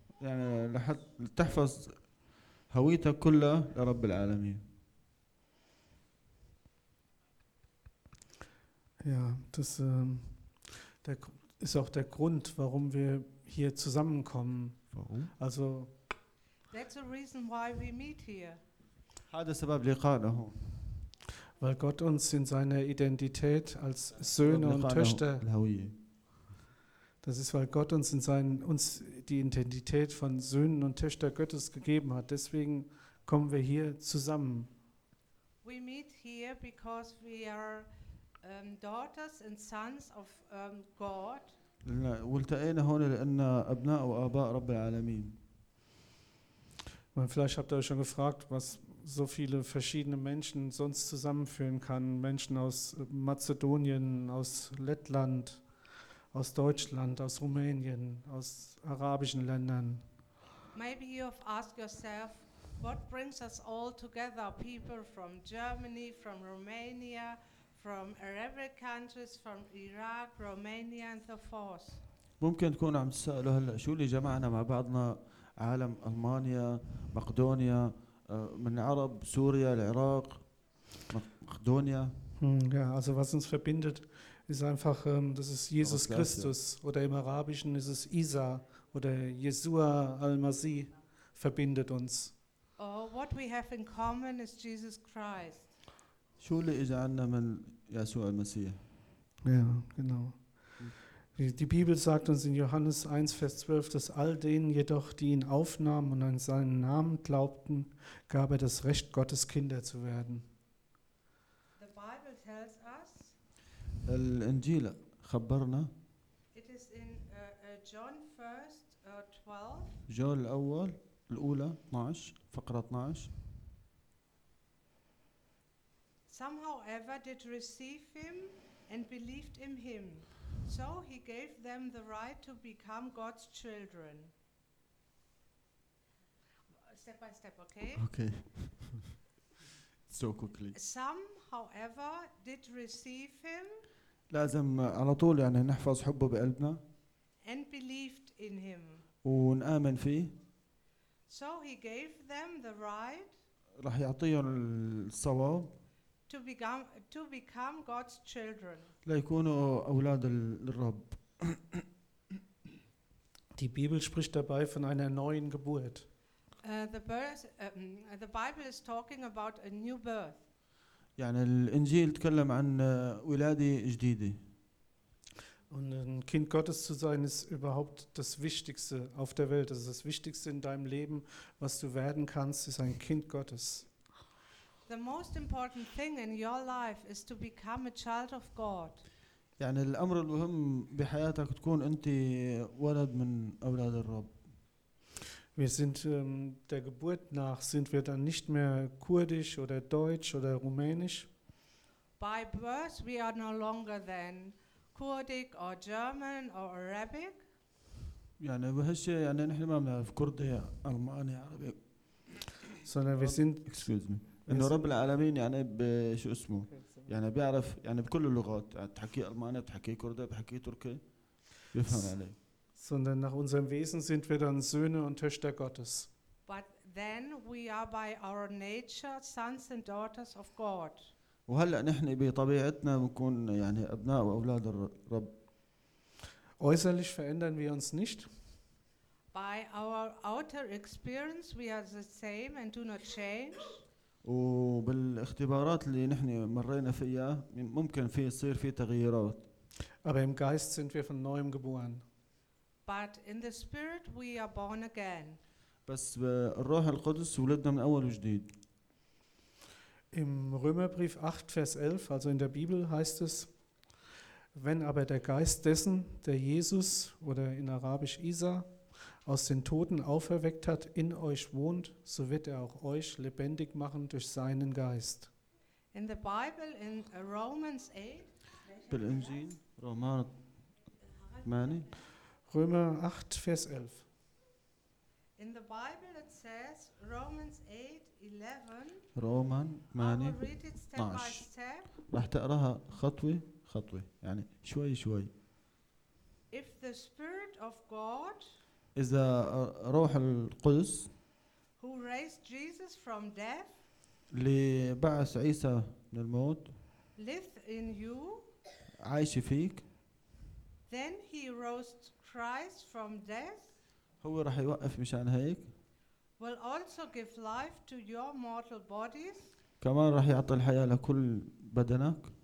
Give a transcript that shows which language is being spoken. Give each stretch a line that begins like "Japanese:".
Arabic: يعني لتحفظ هويتك كلها لرب العالمين.
German: Ja, das der ist auch der Grund, warum wir hier zusammenkommen. Warum? Also
English: That's the reason why we meet here.
Arabic: هذا سبب لقائنا هون.
German: Weil Gott uns in seiner Identität als Söhne und Töchter Das ist, weil Gott uns in seinen uns die Identität von Söhnen und Töchter Gottes gegeben hat. Deswegen kommen wir hier zusammen.
English: We meet here because we are daughters and sons of God.
Arabic: والتقينا هون لأن أبناء وآباء رب العالمين.
German: Und vielleicht habt ihr euch schon gefragt, was so viele verschiedene Menschen sonst zusammenführen kann. Menschen aus Mazedonien, aus Lettland, aus Deutschland, aus Rumänien, aus arabischen Ländern.
English: Maybe you have asked yourself, what brings us all together? People from Germany, from Romania, from Arabic countries, from Iraq, Romania and so forth.
Arabic: ممكن تكون عم تسألوا هلا شو اللي جمعنا مع بعضنا عالم ألمانيا، مقدونيا، من العرب، سوريا، العراق، مقدونيا.
German: Ja, also was uns verbindet, ist einfach, das ist Jesus Christus. Oder im Arabischen ist es Isa oder Yeshua al-Masih verbindet uns.
English: Oh, what we have in common is Jesus Christ.
Arabic: شو اللي إجا عنا من يسوع المسيح؟
German: Ja, genau. Die Bibel sagt uns in Johannes 1, Vers 12, dass all denen jedoch, die ihn aufnahmen und an seinen Namen glaubten, gab er das Recht, Gottes Kinder zu werden.
English: The Bible tells us,
Arabic: الإنجيل خبرنا,
English: it is in John 1, 12,
Arabic: John الأول, الأولى, 12, فقرة 12,
English: some however did receive him and believed in him. So he gave them the right to become God's children. Step by step, okay? Okay. So quickly. Some, however, did receive him.
Arabic: لازم على طول يعني نحفظ حبه بقلبنا.
English: And believed in him.
Arabic: ونآمن فيه.
English: So he gave them the right.
Arabic: راح يعطيهم الصواب.
English: To become God's children.
Arabic: ليكونوا أولاد الرب.
German: Die Bibel spricht dabei von einer neuen Geburt.
English: The Bible is talking about a new birth.
Arabic: يعني الإنجيل تكلم عن ولادة جديدة.
German: Und ein Kind Gottes zu sein ist überhaupt das Wichtigste auf der Welt. Das ist das Wichtigste in deinem Leben, was du werden kannst, ist ein Kind Gottes.
English: The most important thing in your life is to become a child of God.
Arabic: يعني الأمر المهم بحياتك تكون أنت ولد من أولاد الرب.
German: Wir sind der Geburt nach sind wir dann nicht mehr kurdisch oder deutsch oder rumänisch.
English: By birth we are no longer then Kurdic or German or Arabic.
Arabic: يعني بهالشيء يعني نحن ما بنعرف كردي ألماني عربي.
German: Sondern wir sind.
English: Excuse me.
Arabic: إنه رب العالمين يعني بشو اسمه يعني بيعرف يعني بكل اللغات تحكي ألماني بتحكي كردي بتحكي تركي يفهم عليه.
German: Sondern nach unserem Wesen sind wir dann Söhne und Töchter Gottes.
English: But then we are by our nature sons and daughters of God.
Arabic: وهلا نحن بطبيعتنا بنكون يعني أبناء وأولاد الرب.
German: Äußerlich verändern wir uns nicht.
English: By our outer experience we are the same and do not change.
Arabic: وبالاختبارات اللي نحن مرينا فيها ممكن في يصير في تغييرات.
German: Aber im Geist sind wir von neuem geboren.
English: But in the spirit we are born again.
Arabic: بس بالروح القدس ولدنا من أول وجديد.
German: Im Römerbrief 8 Vers 11, also in der Bibel heißt es, wenn aber der Geist dessen, der Jesus oder in Arabisch Isa aus den Toten auferweckt hat, in euch wohnt, so wird er auch euch lebendig machen durch seinen Geist.
English: In the Bible, in Romans 8,
Arabic: بالإنجيل, Roman, Mani.
German: Römer 8, Vers 11.
English: In the Bible it says, Romans 8, 11, Roman, Mani, I will read it step by step.
Arabic: راح تقراها خطوة خطوة. خطوة يعني شوي شوي.
English: If the Spirit of God,
Arabic: إذا روح القدس,
English: who raised Jesus from death,
Arabic: اللي بعث عيسى من الموت,
English: lives in you,
Arabic: عايش فيك,
English: then he rose Christ from death,
Arabic: هو رح يوقف مشان هيك,
English: will also give life to your mortal bodies,
Arabic: كمان رح يعطي الحياة لكل بدنك,